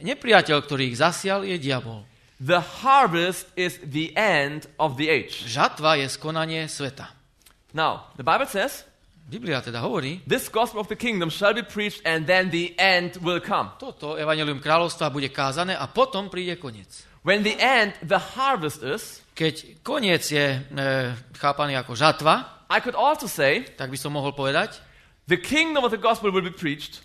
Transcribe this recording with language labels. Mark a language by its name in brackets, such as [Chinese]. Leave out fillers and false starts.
[Slovak] Nepriateľ, ktorý ich zasial, je diabol. [English] The harvest is the end of the age. [Slovak] Žatva je skonanie sveta. [English] Now, the Bible says, [Slovak] Biblia teda hovorí, [English] this gospel of the kingdom shall be preached and then the end will come. [Slovak] Toto evanjelium kráľovstva bude kázané a potom príde koniec. [English] When the end, the harvest is, [Slovak] keď koniec je chápaný ako žatva, [English] I could also say, [Slovak] tak by som mohol povedať, [English] the kingdom of the gospel will be preached,